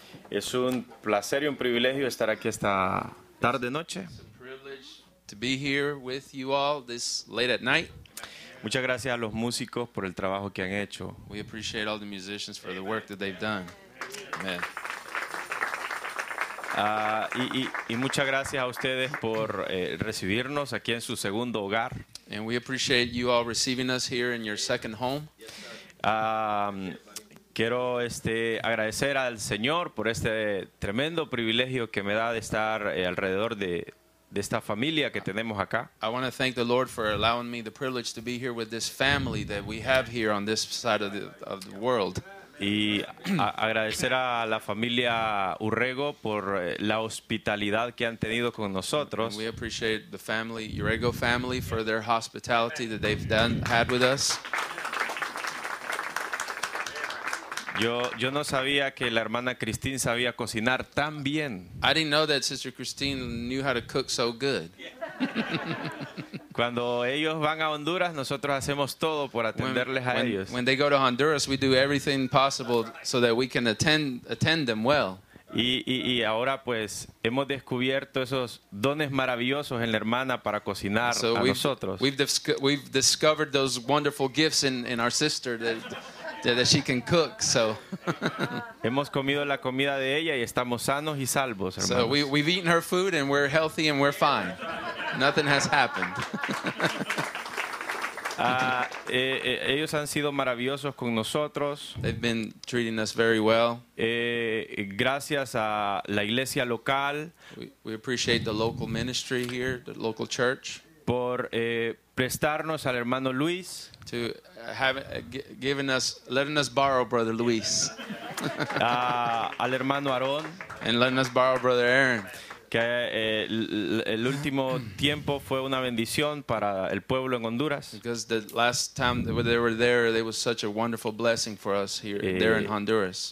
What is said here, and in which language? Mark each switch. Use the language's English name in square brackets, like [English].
[Spanish] Es un placer y un privilegio estar aquí esta tarde noche. [English] It's a privilege to be here with you all this late at night. [Spanish] Muchas gracias a los músicos por el trabajo que han hecho. [English] We appreciate all the musicians for the work that they've done. Amen. [Spanish] Y muchas gracias a ustedes por recibirnos aquí en su segundo hogar. [English] And we appreciate you all receiving us here in your second home. [Spanish] Quiero agradecer al Señor por este tremendo privilegio que me da de estar alrededor de esta familia que tenemos acá. [English] I want to thank the Lord for allowing me the privilege to be here with this family that we have here on this side of the world. [Spanish] Y agradecer a la familia Urrego por la hospitalidad que han tenido con nosotros. [English] And we appreciate the family, Urrego family, for their hospitality that they've had with us. [Spanish] Yo no sabía que la hermana Christine sabía cocinar tan bien. [English] I didn't know that Sister Christine knew how to cook so good. [Spanish] Cuando ellos van a Honduras, nosotros hacemos todo por atenderles a ellos. [English] When they go to Honduras, we do everything possible so that we can attend them well. [Spanish] Y ahora pues hemos descubierto esos dones maravillosos en la hermana para cocinar [English] so [Spanish] a nosotros. [English] We've discovered those wonderful gifts in our sister that she can cook, so. [Spanish] Hemos comido la comida de ella y estamos sanos y salvos, hermanos. [English] So we've eaten her food and we're healthy and we're fine. Nothing has happened. [Spanish] Ellos han sido maravillosos con nosotros. [English] They've been treating us very well. [Spanish] Gracias a la iglesia local. [English] We appreciate the local ministry here, the local church. [Spanish] Por prestarnos al hermano Luis. [English] To have given us, letting us borrow Brother Luis. [Spanish] Al hermano Aaron. [English] And letting us borrow Brother Aaron. [Spanish] Que el último tiempo fue una bendición para el pueblo en Honduras. [English] Because the last time they were there, it was such a wonderful blessing for us here, there in Honduras.